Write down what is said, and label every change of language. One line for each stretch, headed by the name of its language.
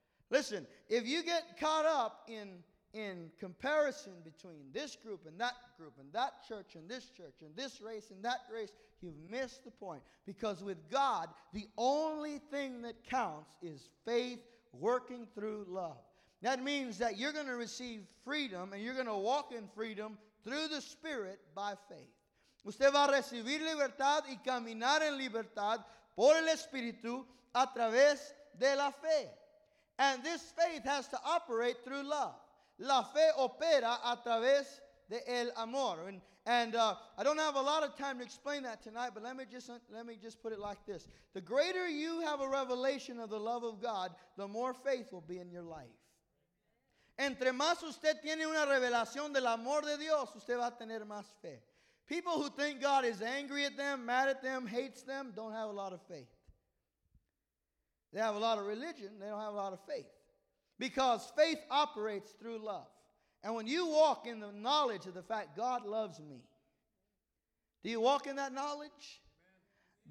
English: Listen, if you get caught up in comparison between this group and that group and that church and this race and that race, you've missed the point. Because with God, the only thing that counts is faith working through love. That means that you're going to receive freedom and you're going to walk in freedom through the Spirit by faith.
Spanish: Usted va a recibir libertad y caminar en libertad por el Espíritu a través de la fe.
English: And this faith has to operate through love.
Spanish: La fe opera a través de el amor.
English: And I don't have a lot of time to explain that tonight, but let me just put it like this. The greater you have a revelation of the love of God, the more faith will be in your life.
Spanish: Entre más usted tiene una revelación del amor de Dios, usted va a tener más fe.
English: People who think God is angry at them, mad at them, hates them, don't have a lot of faith. They have a lot of religion, they don't have a lot of faith. Because faith operates through love. And when you walk in the knowledge of the fact God loves me, do you walk in that knowledge? Amen.